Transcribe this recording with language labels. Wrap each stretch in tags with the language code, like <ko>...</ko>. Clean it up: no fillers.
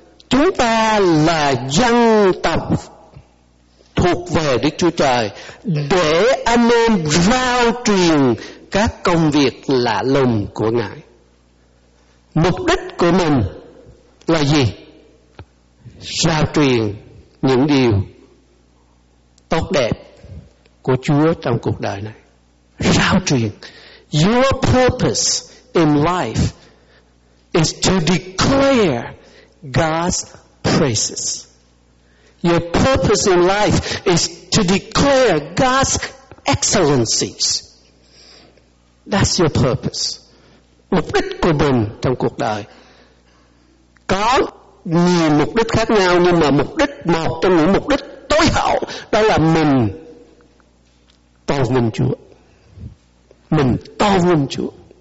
<vi>Chúng ta là dân tộc thuộc về Đức Chúa Trời để anh em rao truyền các công việc lạ lùng của Ngài. Mục đích của mình là gì? Rao truyền những điều tốt đẹp của Chúa trong cuộc đời này. Rao truyền.</vi> <en>Your purpose in life is to declare God's praises. Your purpose in life is to declare God's excellencies. That's your purpose.</en> <vi>Mục đích của mình trong cuộc đời có nhiều mục đích khác nhau, nhưng mà mục đích, một trong những mục đích tối hậu, đó là mình tôn vinh Chúa. Mình tôn vinh Chúa.</vi>